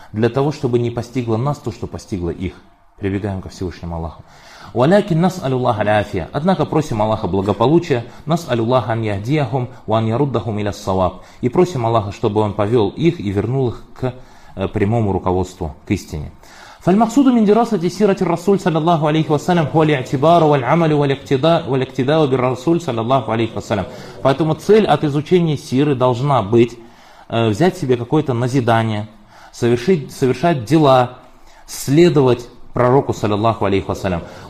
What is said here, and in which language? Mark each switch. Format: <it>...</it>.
<ru>Для того, чтобы не постигло нас то, что постигло их. Прибегаем ко Всевышнему Аллаху.</ru> <ar>وَلَكِنْ نَسْأَلُ اللَّهَ الْعَافِيَةَ.</ar> <ru>Однако просим Аллаха благополучия.</ru> <ar>نَسْأَلُ اللَّهَ أَنْ يَهْدِيَهُمْ وَأَنْ يَرُدَّهُمْ إِلَى الصَّوَابِ.</ar> <ru>И просим Аллаха, чтобы Он повел их и вернул их к прямому руководству, к истине.</ru> <ar>فالمقصود من دراسة سيرة الرسول صلى الله عليه وسلم هو الاعتبار والعمل والاقتداء بالرسول صلى الله عليه وسلم.</ar> <ru>Поэтому цель от изучения сиры должна быть взять себе какое-то назидание, совершать дела, следовать пророку</ru> <ar>صلى الله عليه وسلم.</ar>